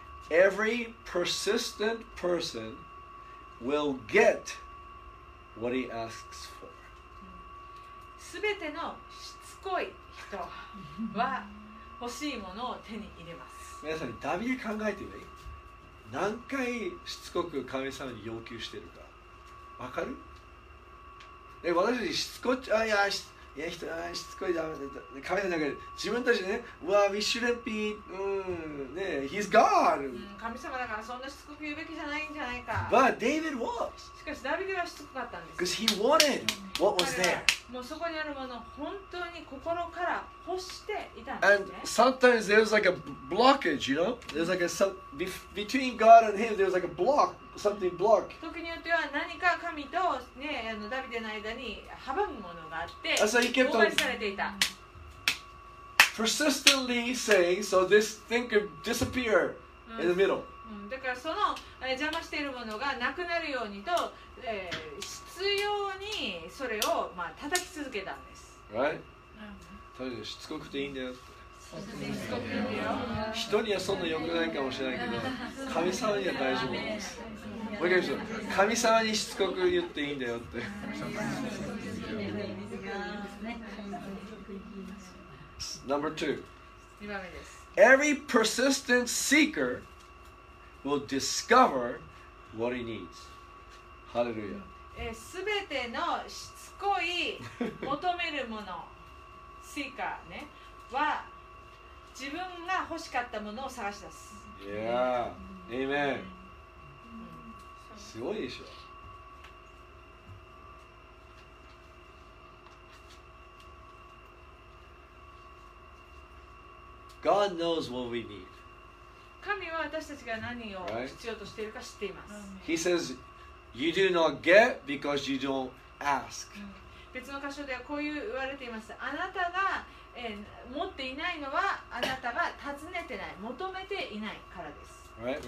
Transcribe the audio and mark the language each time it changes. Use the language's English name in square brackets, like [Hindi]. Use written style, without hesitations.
[English] Every persistent person will get what he asks for. [Japanese] すべてのしつこい人は欲しいものを手に入れます。皆さん、ダビデ考えてみ、何回しつこく神様に要求してるか、わかる？え、私たちしつこっちゃ、いや人はしつこいダメだ。神様なんか自分たちね、わあ、 [English] we shouldn't be、 [Japanese] ね、 [English] he's God、 [Japanese] うん。神様だからそんなしつこく言うべきじゃないんじゃないか。 [English] But David was。 [Japanese] しかしダビデはしつこかったんです。 [English] Because he wanted what was there。 [Japanese] もうそこにあるものを本当に心から欲していたんですね。 [English] And sometimes there was like a blockage, you know? There was like a between God and him, there was like a block, something block. [Japanese] 時によっては何か神と、ね、あのダビデの間に阻むものがあって、 [English] And so he kept [Japanese] on されていた。 [English] Persistently saying, so this thing could disappear in the middle.、 [Japanese] うんうん、だからその、邪魔しているものがなくなるようにと、必要にそれを、まあ、叩き続けたんです。 [English] Right? [Japanese] うん、しつこくていいんだよ。しつこくていいよ。人にはそんなに良くないかもしれないけど、神様には大丈夫です。もう一回言うと、神様にしつこく言っていいんだよって。 [English] Number two. [Japanese] 2番目です。 [English] Every persistent seeker will discover what he needs. [Japanese] ハレルヤ。すべてのしつこい求めるもの、シーカーね、は自分が欲しかったものを探し出す。 [English] Yeah, amen. [Japanese] すごいでしょ。 [English] God knows what we need. [Japanese] 神は私たちが何を必要としているか知っています。 [English] Right? He says, you do not get because you don't ask. [Japanese] 別の箇所ではこういう言われています。あなたが、持っていないのはあなたが尋ねてない、求めていないからです。